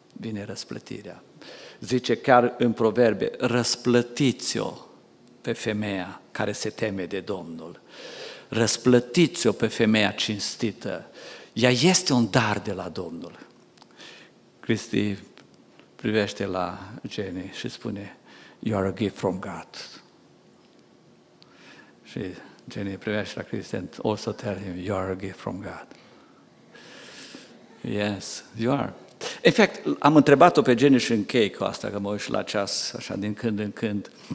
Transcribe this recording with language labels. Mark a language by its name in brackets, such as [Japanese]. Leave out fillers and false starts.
[Romanian] Vine răsplătirea. Zice chiar în proverbe, răsplătiți-o pe femeia care se teme de Domnul. Răsplătiți-o pe femeia cinstită. Ea este un dar de la Domnul. Cristi privește la Jenny și spune, [English] you are a gift from God. [Romanian] Și Jenny privește la Cristi [English] and also tell him, you are a gift from God. Yes, you are. [Romanian] În fapt, am întrebat-o pe Jenny și închei cu asta, că mă uit și la ceas, așa, din când în când.